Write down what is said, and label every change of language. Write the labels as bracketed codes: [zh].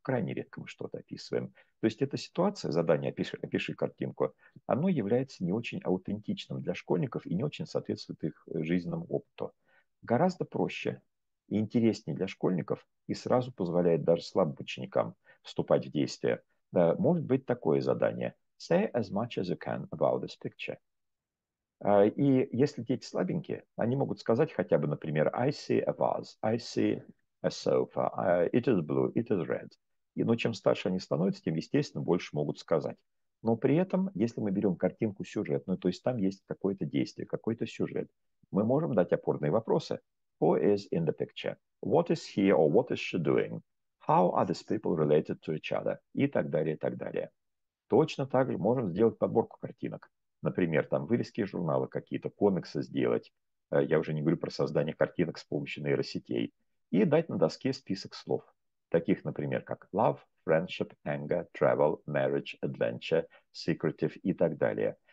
[ru] Крайне редко мы что-то описываем. То есть эта ситуация, задание «опиши картинку», оно является не очень аутентичным для школьников и не очень соответствует их жизненному опыту. Гораздо проще и интереснее для школьников и сразу позволяет даже слабым ученикам вступать в действие. Может быть такое задание. [en] Say as much as you can about this picture. [ru] И если дети слабенькие, они могут сказать хотя бы, например, [en] I see a vase, I see a sofa, it is blue, it is red. [ru] И, но чем старше они становятся, тем, естественно, больше могут сказать. Но при этом, если мы берем картинку сюжетную, то есть там есть какое-то действие, какой-то сюжет, мы можем дать опорные вопросы. [en] Who is in the picture? What is he or what is she doing? How are these people related to each other? [ru] И так далее, и так далее. Точно так же можем сделать подборку картинок. Например, там вырезки из журнала какие-то, комиксы сделать. Я уже не говорю про создание картинок с помощью нейросетей. И дать на доске список слов. Таких, например, как love, friendship, anger, travel, marriage, adventure, secretive и так далее.